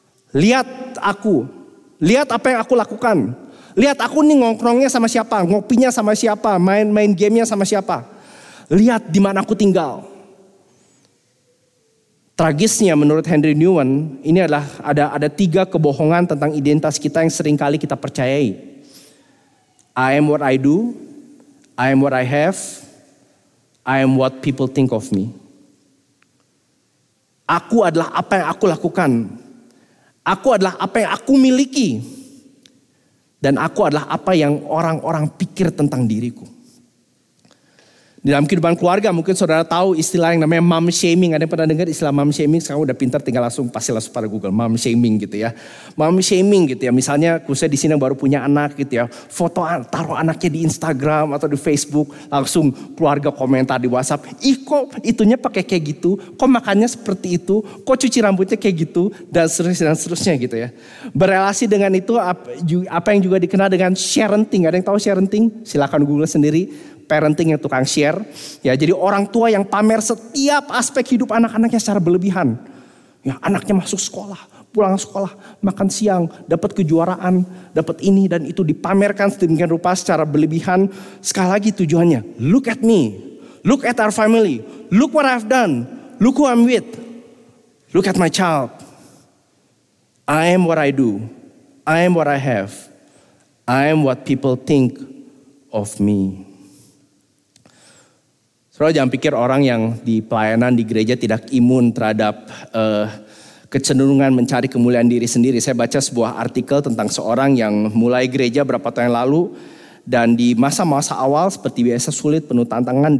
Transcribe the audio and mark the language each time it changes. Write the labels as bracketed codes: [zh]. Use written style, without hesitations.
[id] Lihat aku, lihat apa yang aku lakukan, lihat aku nih ngongkrongnya sama siapa, ngopinya sama siapa, main gamenya sama siapa, lihat di mana aku tinggal. Tragisnya menurut Henry Nouwen, ini adalah ada tiga kebohongan tentang identitas kita yang seringkali kita percayai. [en] I am what I do, I am what I have, I am what people think of me. [id] Aku adalah apa yang aku lakukan, aku adalah apa yang aku miliki, dan aku adalah apa yang orang-orang pikir tentang diriku. Di dalam kehidupan keluarga mungkin saudara tahu istilah yang namanya mom shaming. Ada yang pernah dengar istilah mom shaming? Sekarang udah pintar tinggal langsung pasti langsung pada Google mom shaming gitu ya. Mom shaming gitu ya. Misalnya khususnya di sini yang baru punya anak gitu ya. Foto taruh anaknya di Instagram atau di Facebook, langsung keluarga komentar di WhatsApp. Ih kok itunya pakai kayak gitu? Kok makannya seperti itu? Kok cuci rambutnya kayak gitu? Dan seterusnya gitu ya. Berelasi dengan itu apa yang juga dikenal dengan sharenting. Ada yang tahu sharenting? Silakan Google sendiri. Parenting yang tukang share, ya jadi orang tua yang pamer setiap aspek hidup anak-anaknya secara berlebihan. Ya anaknya masuk sekolah, pulang sekolah, makan siang, dapat kejuaraan, dapat ini dan itu dipamerkan sedemikian rupa secara berlebihan. Sekali lagi tujuannya, [en] look at me, look at our family, look what I've done, look who I'm with, look at my child. I am what I do, I am what I have, I am what people think of me. [id] Bro, jangan pikir orang yang di pelayanan di gereja tidak imun terhadap kecenderungan mencari kemuliaan diri sendiri. Saya baca sebuah artikel tentang seorang yang mulai gereja berapa tahun yang lalu. Dan di masa-masa awal seperti biasa sulit, penuh tantangan.